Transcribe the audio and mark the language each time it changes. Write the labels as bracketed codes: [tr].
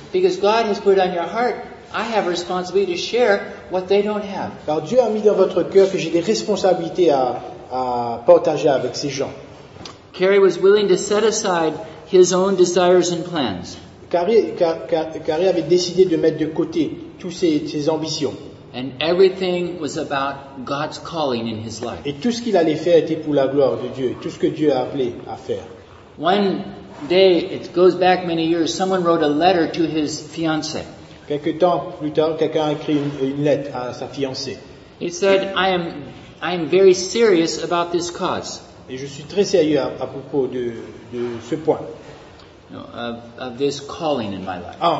[en] Because God has put on your heart, I have responsibility to share what they don't have. [fr] Car Dieu a mis dans votre cœur que j'ai des responsabilités à partager avec ces gens. [en] Carey was willing to set aside his own desires and plans. [fr] Carré avait décidé de mettre de côté toutes ses ambitions. [en] And everything was about God's calling in his life. [fr] Et tout ce qu'il allait faire était pour la gloire de Dieu, tout ce que Dieu a appelé à faire. [en] One day, it goes back many years, someone wrote a letter to his fiancée. [fr] Quelque temps plus tard, quelqu'un a écrit une lettre à sa fiancée. [en] He said, I am very serious about this cause. [fr] Et je suis très sérieux à propos de ce point. [en] No, of this calling in my life.